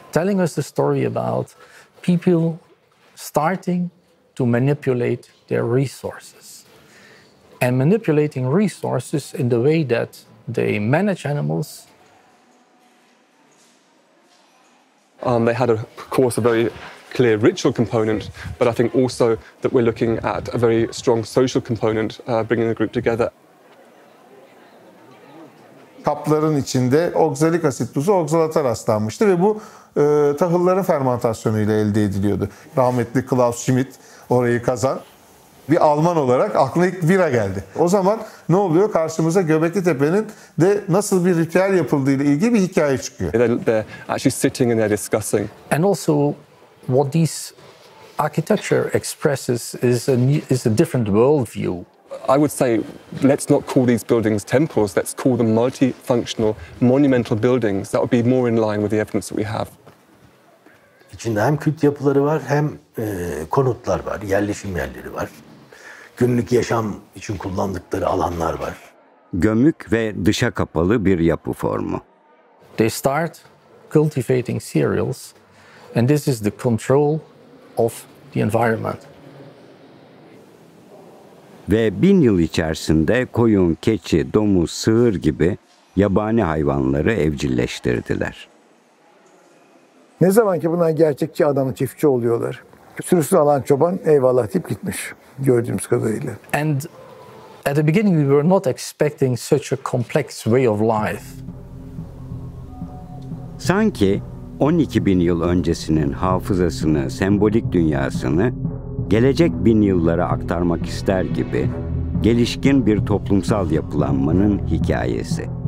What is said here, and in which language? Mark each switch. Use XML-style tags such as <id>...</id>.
<en>telling us the story about people starting to manipulate their resources and manipulating resources in the way that they manage animals. They had, of course, a very clear ritual component, but I think also that we're looking at a very strong social component, bringing the group together.</en> <tr>Kapların içinde oksalik asit tuzu oksalata rastlanmıştı ve bu tahılların fermentasyonuyla elde ediliyordu. Rahmetli Klaus Schmidt orayı kazan bir Alman olarak aklına ilk vira geldi. O zaman ne oluyor? Karşımıza Göbekli Tepe'nin de nasıl bir ritüel yapıldığı ile ilgili bir hikaye çıkıyor.</tr> <en>They're actually sitting and they're discussing. And also what this architecture expresses is a different world view. I would say let's not call these buildings temples, let's call them multifunctional monumental buildings. That would be more in line with the evidence that we have.</en> <tr>İçinde hem kült yapıları var hem konutlar var, yerleşim yerleri var. Günlük yaşam için kullandıkları alanlar var. Gömük ve dışa kapalı bir yapı formu.</tr> <en>They start cultivating cereals and this is the control of the environment.</en> <tr>Ve 1000 yıl içerisinde koyun, keçi, domuz, sığır gibi yabani hayvanları evcilleştirdiler. Ne zaman ki bunlar gerçekçi adamı çiftçi oluyorlar. Sürüsünü alan çoban eyvallah deyip gitmiş gördüğümüz kadarıyla.</tr> <en>And at the beginning we were not expecting such a complex way of life.</en> <tr>Sanki 12 bin yıl öncesinin hafızasını, sembolik dünyasını gelecek bin yıllara aktarmak ister gibi gelişkin bir toplumsal yapılanmanın hikayesi.</tr>